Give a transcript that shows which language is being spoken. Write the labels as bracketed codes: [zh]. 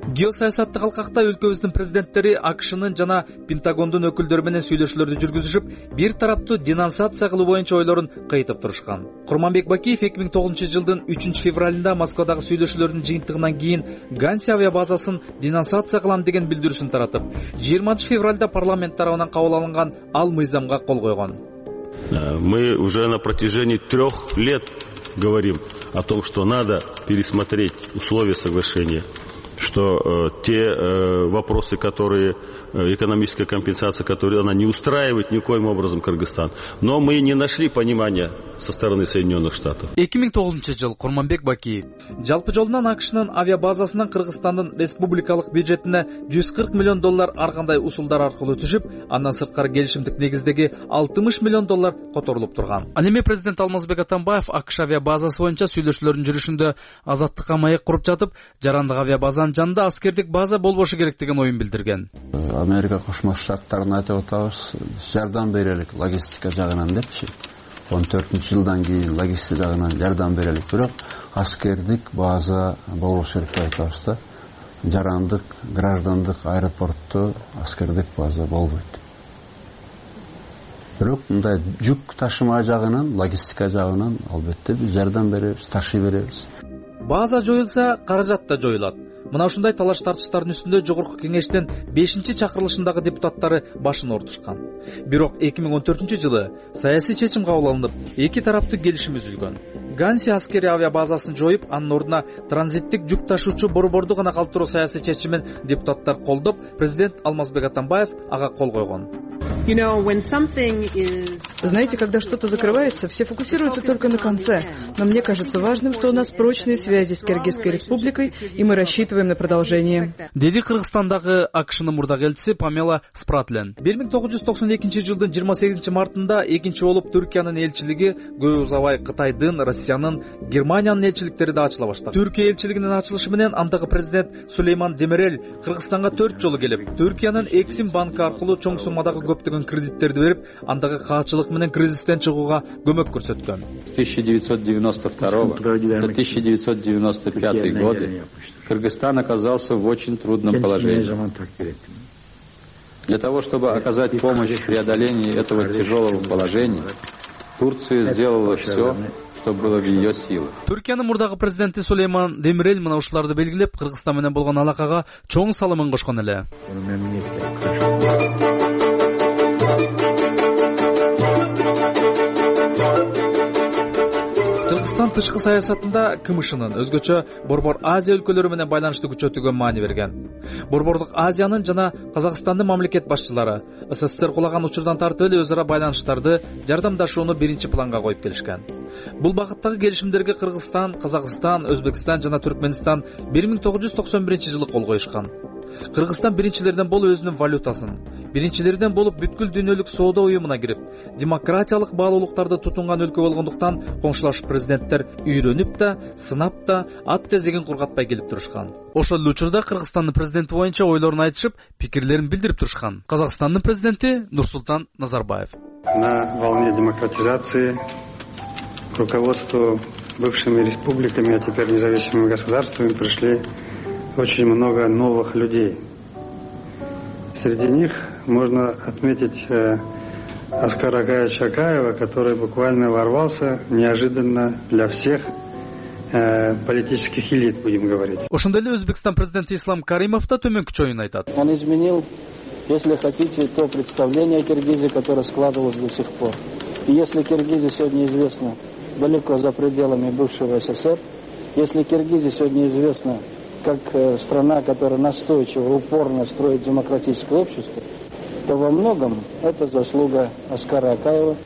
[ky] Геосаясаттык алкакта өлкөбүздүн президенттери АКШнын жана Пентагондун өкүлдөрү менен сүйлөшүүлөрдү жүргүзүшүп, бир тараптуу денонсация кылуу боюнча ойлорун кайтып турушкан. Курманбек Бакиев 2009 жылдын 3 февралында Москвадагы сүйлөшүүлөрдүн жыйынтыгынан кийин Ганси авиабазасын денонсация кылам деген билдирүүсүн таратып, 20 февралда парламент тарабынан кабыл алынган ал мыйзамга кол койгон. [ru] Мы уже на протяжении 3 лет говорим о том, что надо пересмотреть условия соглашения, что те вопросы, которые экономическая компенсация, которые она не устраивает никоим образом Кыргызстан. Но мы не нашли понимания со стороны Соединенных Штатов. [ky] 2009 жыл, Курманбек Бакиев. Жалпы жолунан АКШ-нын авиабазасынан Кыргызстандын республикалык бюджетине 140 миллион доллар ар кандай усулдар аркылуу түшүп, андан сырткары келишимдик негиздеги 60 миллион доллар которулуп турган. Ал эми президент Алмазбек Атамбаев АКШ авиабазасы боюнча сүйлөшүүлөрүн жүрүшүндө азаттыкка маек куруп жатып, жарандык авиабазанын жанында аскердик база болбошу керек деген оюн билдирген. Америка Кошмо Штаттарына айтып атабыз, жардам берелик логистика жагынан депчи. 14 жылдан кийин логистика жагынан жардам берелик, бирок аскердик база болбош керек деп айтабыз да. Жарандык граждандык аэропортто аскердик база болбойт. Бирок мындай жүк ташымаа жагынан, логистика жагынан албетте биз жардам беребиз, ташый беребиз. База жоюлса, каражат да жоюлат. Мына ушундай талаш тартыштардын үстүндө жогорку кеңештин 5-чи чакырылышындагы депутаттары башын оорутушкан. Бирок 2014 жылы саясий чечим кабыл алынып, эки тараптуу келишим үзүлгөн. Ганси аскери авиабазасын жоюп, анын ордуна транзиттик жүк ташуучу борборду гана калтыруу саясий чечимин депутаттар колдоп, президент Алмазбек Атамбаев ага кол койгон. [ru] Знаете, когда что-то закрывается, все фокусируются только на конце. Но мне кажется важным, что у нас прочные связи с Кыргызской Республикой, и мы рассчитываем на продолжение. [ky] Деди Кыргызстандагы АКШнын мурдагы элчиси Памела Спратлен. 1992 жылдын 28 мартында экинчи болуп Түркиянын элчилиги, көп узабай Кытайдын, Россиянын, Германиянын элчиликтери да ачыла баштады. Түркия элчилигинин ачылышы менен андагы президент Сулейман Демирел Кыргызстанга 4 жолу келип, Түркиянын Эксим банкы аркылуу чоң суммадагы көп деген кредиттерди берип, андагы каачылык менен кризистен чыгууга көмөк көрсөткөн. [ru] 1992-1995 годы Кыргызстан оказался в очень трудном положении. Для того, чтобы оказать помощь в преодолении этого тяжелого положения, Турция сделала все, что было в ее силах. [ky] Түркиянын мурдагы президенти Сулейман Демирел мына ушуларды белгилеп, Кыргызстан менен болгон алакага чоң салымын кошкон эле. Кыргызстан тышкы саясатында КМШ'нын өзгөчө Борбор Азия өлкөлөрү менен байланышты күчөтүүгө маани берген. Борбордук Азиянын жана Казакстандын мамлекет башчылары СССР кулаган учурдан тартып эле өз ара байланыштарды, жардамдашууну биринчи планга коюп келишкен. Бул багыттагы келишимдерге Кыргызстан, Казакстан, Өзбекстан жана Түркмөнстан 1991 жылы кол коюшкан. Кыргызстан биринчилерден болуп өзүнүн валютасын, биринчилерден болуп бүткүл дүйнөлүк соода уюмуна кирип, демократиялык баалуулуктарды тутунган өлкө болгондуктан коңшулаш президенттер үйрөнүп да, сынап да, ат тезегин кургатпай келип турушкан. Ошол эле учурда Кыргызстандын президенти боюнча ойлорун айтышып, пикирлерин билдирип турушкан. Казакстандын президенти Нурсултан Назарбаев. [ru] На волне демократизации к руководству бывшими республиками, а теперь независимыми государствами пришли очень много новых людей. Среди них можно отметить Аскара Акаевича Акаева, который буквально ворвался неожиданно для всех политических элит, будем говорить. [ky] Ошондой эле Өзбекстан президенти Ислам Каримов да төмөнкү чоюн айтат. [ru] Он изменил, если хотите, то представление о Киргизии, которое складывалось до сих пор. И если Киргизия сегодня известна далеко за пределами бывшего СССР. Если Киргизия сегодня известна как страна, которая настойчиво, упорно строит демократическое общество, то во многом это заслуга Аскара Акаева.